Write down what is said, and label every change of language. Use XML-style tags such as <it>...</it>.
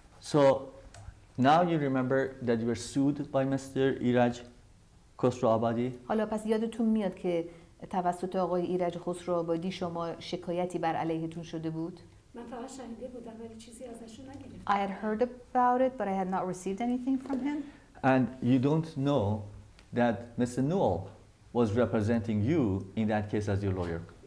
<en>So now you remember that you were sued by Mr. Iraj Khosro Abadi?</en> <fa>حالا پس یادتون میاد که توسط آقای ایرج خسرو آبادی شما شکایتی بر علیهتون شده بود؟ من فقط شنیده بودم ولی چیزی ازشون نگرفتم.</fa> <en>I had heard about it but I had not received anything from him. And you don't know that Mr. Newell was representing you in that case as your lawyer.</en>